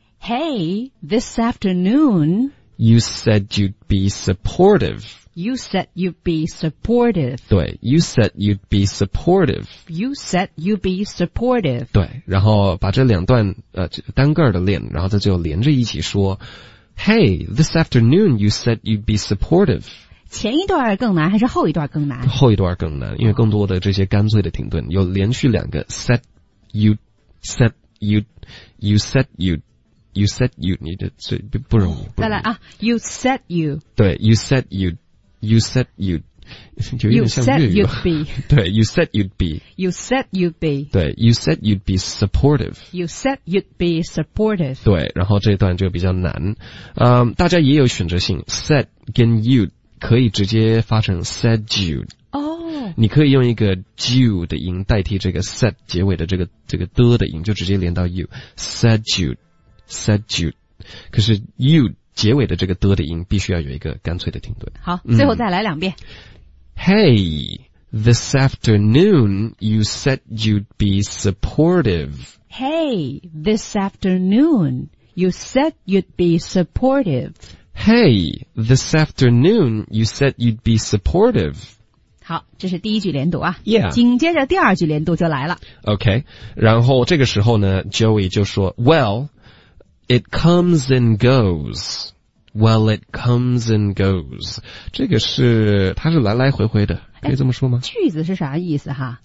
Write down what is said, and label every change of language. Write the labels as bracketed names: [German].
[English] Hey, this afternoon. You said you'd be supportive. You said you'd be supportive. 对 ,you said you'd be supportive. You said you'd be supportive. [Chinese] 对，然后把这两段单个的练，然后再就连着一起说。 [English] Hey, this afternoon, you said you'd be supportive. [Chinese] 前一段更难还是后一段更难？后一段更难，因为更多的这些干脆的停顿，有连续两个 set you。 [English] Said you, you said you, you said you needed, [Chinese] 所以不容易。再来啊 [English] ，You said you. 对 ，You said you, you said you, [Chinese] 就有点像日语。 [English] You said you'd be. 对 ，You said you'd be. You said you'd be. 对 ，You said you'd be supportive. You said you'd be supportive. [Chinese] 对，然后这段就比较难。大家也有选择性 ，said 跟 you 可以直接发成 [English] said you。 [Chinese] 你可以用一个 you 的音代替这个 said 结尾的这个的的音，就直接连到 [English] you said you said you， [Chinese] 可是 you 结尾的这个的的音必须要有一个干脆的停顿。好，最后再来两遍。 [English] Hey, this afternoon you said you'd be supportive. Hey, this afternoon you said you'd be supportive. Hey, this afternoon you said you'd be supportive. [Chinese] 好，这是第一句连读啊。 Yeah. 紧接着第二句连读就来了。 [English] OK. [Chinese] 然后这个时候呢 [English] ,Joey [Chinese] 就说 [English] ,Well, it comes and goes. Well, it comes and goes. [Chinese] 这个是它是来来回回的。可以这么说吗？句子是啥意思哈